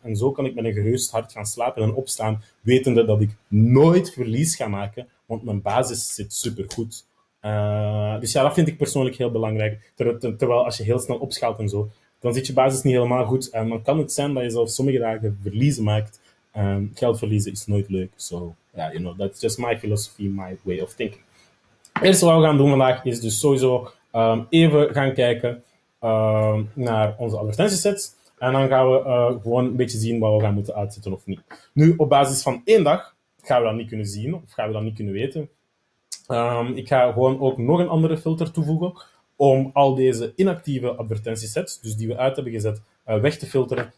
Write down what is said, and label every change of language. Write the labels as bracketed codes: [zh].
[nl] En zo kan ik met een gerust hart gaan slapen en opstaan, wetende dat ik nooit verlies ga maken, want mijn basis zit supergoed. Dus ja, dat vind ik persoonlijk heel belangrijk. Terwijl als je heel snel opschaalt en zo, dan zit je basis niet helemaal goed. En dan kan het zijn dat je zelf sommige dagen verliezen maakt. Geld verliezen is nooit leuk. [en] So, yeah, you know, that's just my philosophy, my way of thinking. [nl] Het eerste wat we gaan doen vandaag is dus sowieso even gaan kijken naar onze advertentiesets. En dan gaan we gewoon een beetje zien wat we gaan moeten uitzetten of niet. Nu, op basis van één dag gaan we dat niet kunnen zien of gaan we dat niet kunnen weten. Ik ga gewoon ook nog een andere filter toevoegen om al deze inactieve advertentiesets, dus die we uit hebben gezet, weg te filteren.